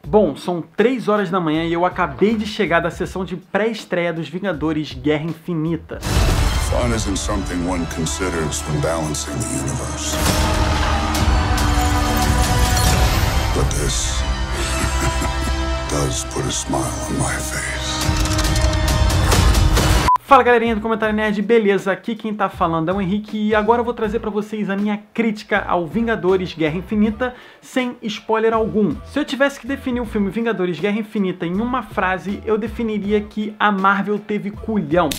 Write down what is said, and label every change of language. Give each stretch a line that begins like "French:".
Portuguese: Bom, são 3 horas da manhã e eu acabei de chegar da sessão de pré-estreia dos Vingadores Guerra Infinita.
English: Fun isn't something one considers when balancing the universe. But this does put a smile on my face.
Portuguese: Fala galerinha do Comentário Nerd, beleza? Aqui quem tá falando é o Henrique e agora eu vou trazer pra vocês a minha crítica ao Vingadores Guerra Infinita sem spoiler algum. Se eu tivesse que definir o filme Vingadores Guerra Infinita em uma frase, eu definiria que a Marvel teve culhão.